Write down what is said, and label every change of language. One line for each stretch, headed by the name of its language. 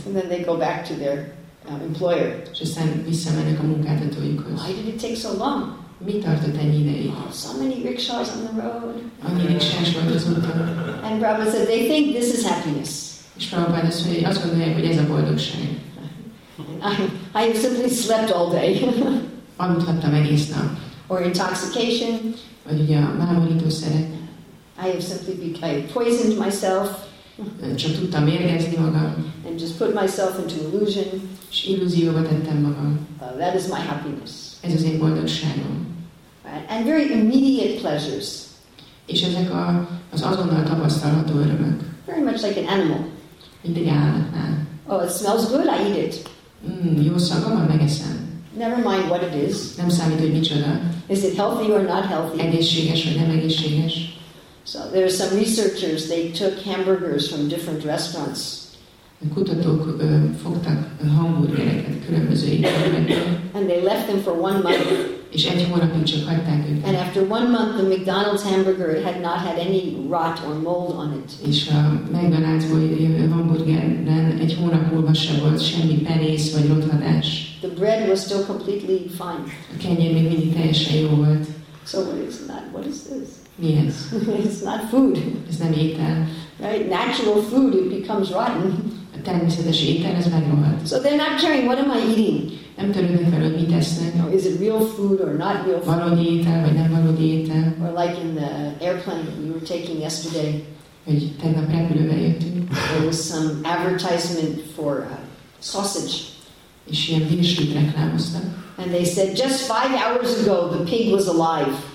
English: And then they go back to their employer.
Hungarian: És aztán visszamennek a munkáltatójukhoz.
English: Why did it take so long?
Hungarian: Mi tartott ennyi ideig?
English: Oh, so many rickshaws on the road.
Hungarian: Annyi rickshás volt az úton.
English: And Prabhupada said, they think this is happiness.
Hungarian: És Prabhupada azt gondolja, hogy ez a boldogság.
English: I simply slept all day.
Hungarian: Aludhattam egész nap.
English: Or intoxication.
Hungarian: Vagy ugye a mámorítószerek.
English: I have simply poisoned myself.
Hungarian: Csak tudtam mérgezni magam.
English: And just put myself into illusion.
Hungarian: És illúzióba tettem magam.
English: That is my happiness.
Hungarian: Ez az én boldogságom.
English: And very immediate pleasures.
Hungarian: És ezek az azonnal tapasztalható örömök.
English: Very much like an animal.
Hungarian: Mint egy állatnál.
English: Oh, it smells good, I eat it.
Hungarian: Jó szaga van, megeszem.
English: Never mind what it is.
Hungarian: Nem számít, hogy micsoda.
English: Is it healthy or not healthy?
Hungarian: Egészséges vagy nem egészséges?
English: So there are some researchers, they took hamburgers from different restaurants.
Hungarian: Kutatók fogtak hamburgereket különböző étteremekből.
English: And they left them for 1 month.
Hungarian: És egy hónapig csak hagyták őket.
English: And after 1 month, the McDonald's hamburger had not had any rot or mold on it.
Hungarian: És a McDonald's-ból jövő hamburgeren egy hónap múlva se volt semmi penész vagy rothadás.
English: The bread was still completely fine.
Hungarian: A kenyér még mindig teljesen jó volt.
English: So what is that? What is this?
Hungarian: Mi ez?
English: It's not food.
Hungarian: Ez nem étel.
English: Right? Natural food, it becomes rotten.
Hungarian: A természetes étel, ez megrohadt.
English: So they're not caring, what am I eating?
Hungarian: Nem törődnek fel, hogy mit esznek.
English: No, is it real food or not real food?
Hungarian: Valódi étel, vagy nem valódi étel.
English: Or like in the airplane we were taking yesterday.
Hungarian: Hogy tegnap repülővel jöttünk.
English: There was some advertisement for sausage.
Hungarian: és ilyen virsit reklámoztak.
English: And they said, just 5 hours ago, the pig was alive.